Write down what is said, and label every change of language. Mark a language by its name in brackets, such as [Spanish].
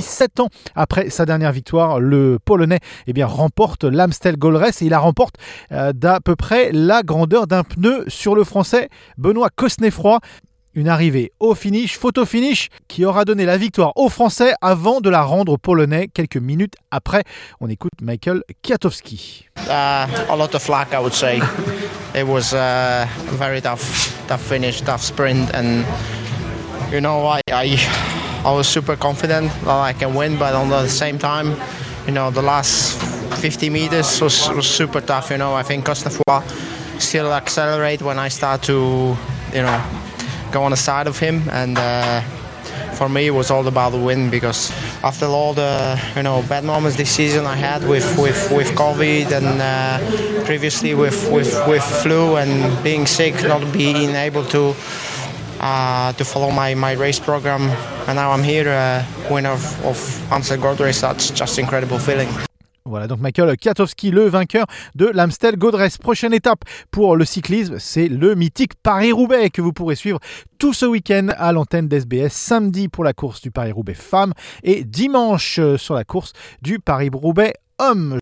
[French] 7 ans après sa dernière victoire, le Polonais eh bien, remporte l'Amstel Gold Race. Et il la remporte d'à peu près la grandeur d'un pneu sur le Français Benoît Cosnefroy. Une arrivée au finish, photo finish, qui aura donné la victoire aux Français avant de la rendre aux Polonais quelques minutes après. On écoute Michael Kwiatkowski. [English] A lot of luck, I would say. It was a very tough finish, tough sprint, and you know, I was super confident that I can win, but on the same time, you know, the last 50 meters was super tough. You know, I think Cosnefroy still accelerate when I start to, you know, go on the side of him, and for me it was all about the win, because after all the, you know, bad moments this season I had with COVID and previously with flu and being sick, not being able to follow my race program, and now I'm here, winner of Amstel Gold Race. That's just incredible feeling. [French] Voilà donc Michael Kwiatkowski, le vainqueur de l'Amstel Gold Race. Prochaine étape pour le cyclisme, c'est le mythique Paris-Roubaix que vous pourrez suivre tout ce week-end à l'antenne d'SBS, samedi pour la course du Paris-Roubaix femmes et dimanche sur la course du Paris-Roubaix hommes.